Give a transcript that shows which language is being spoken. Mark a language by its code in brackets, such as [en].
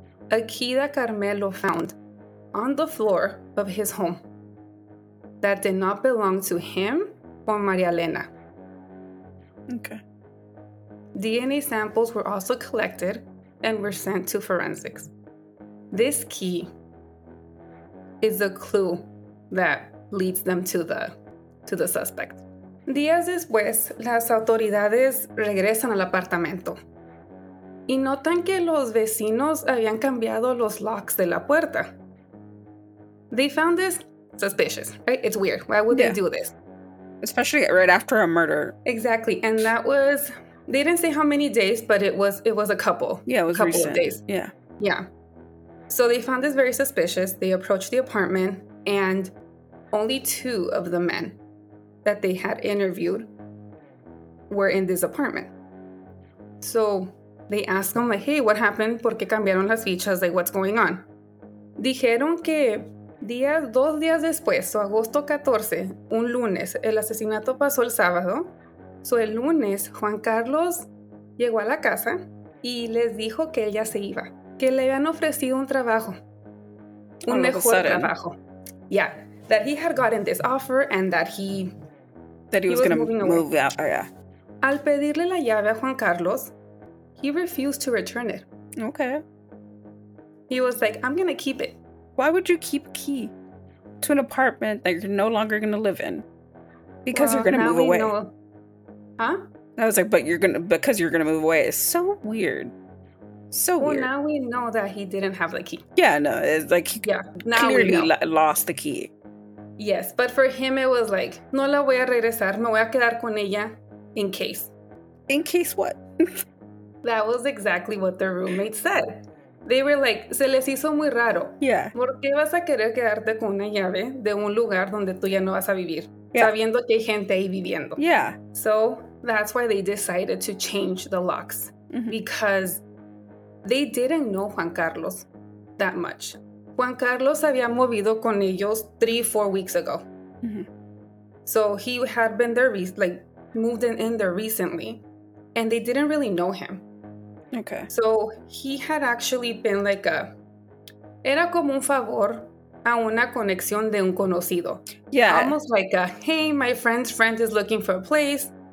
[en] A key that Carmelo found on the floor of his home that did not belong to him or María Elena. Okay. DNA samples were also collected and were sent to forensics. This key is the clue that leads them to the suspect. [es] Días después, las autoridades regresan al apartamento y notan que los vecinos habían cambiado los locks de la puerta. [en] They found this suspicious, right? It's weird. Why would they do this? especially right after a murder. Exactly. And that was, they didn't say how many days, but it was a couple. Yeah, it was a couple recent. Of days. Yeah. Yeah. So they found this very suspicious. They approached the apartment, and only two of the men that they had interviewed were in this apartment. So they asked them, like, hey, what happened? [es] ¿Por qué cambiaron las fichas? [en] Like, what's going on? [es] Dijeron que dos días después, so agosto 14, un lunes, el asesinato pasó el sábado. So el lunes, Juan Carlos llegó a la casa y les dijo que él ya se iba. Que le habían ofrecido un trabajo. Un mejor trabajo. Yeah. [en] That he had gotten this offer and that he was going to move out. Oh, yeah. [es] Al pedirle la llave a Juan Carlos, [en] he refused to return it. Okay. He was like, I'm going to keep it. Why would you keep a key to an apartment that you're no longer going to live in? Because you're going to move away. Huh? I was like, because you're going to move away. It's so weird. So well, weird. Well, now we know that he didn't have the key. Yeah, no. It's like he clearly lost the key. Yes, but for him, it was like, [es] no la voy a regresar. Me voy a quedar con ella [en] in case. In case what? That was exactly what their roommate said. They were like, [es] se les hizo muy raro. [en] Yeah. [es] ¿Por qué vas a querer quedarte con una llave de un lugar donde tú ya no vas a vivir? Yeah. Sabiendo que hay gente ahí viviendo. [en] Yeah. So that's why they decided to change the locks. Mm-hmm. Because they didn't know Juan Carlos that much. [es] Juan Carlos había movido con ellos 3-4 [en] weeks ago. Mm-hmm. So he had been there, moved in there recently. And they didn't really know him. Okay. So he had actually been like a, [es] era como un favor a una conexión de un conocido. [en] Yeah. Almost like a, hey, my friend's friend is looking for a place.